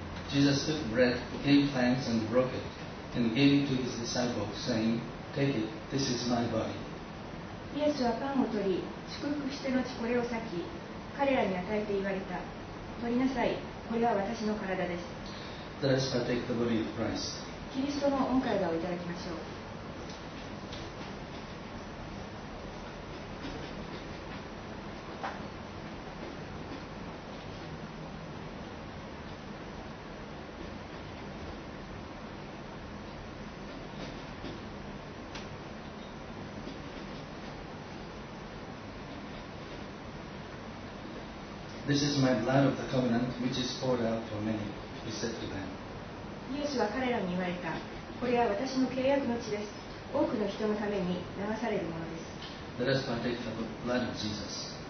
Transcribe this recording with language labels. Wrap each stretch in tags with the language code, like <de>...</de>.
<en>Jesus took bread, gave thanks, and broke it, and gave it to his disciples, saying, Take it, this is my body.</en> <ja>イエスはパンを取り、祝福して後これを裂き、彼らに与えて言われた。取りなさい、これは私の体です。</ja> <en>Let us partake the body of Christ.</en> <ja>キリストの御体をいただきましょう。</ja> <en>This is my blood of the covenant which is poured out for many, he said to them.</en> <ja>イエスは彼らに言われた。これは私の契約の血です。多くの人のために流されるものです。</ja> <en>Let us partake of the blood of Jesus.</en>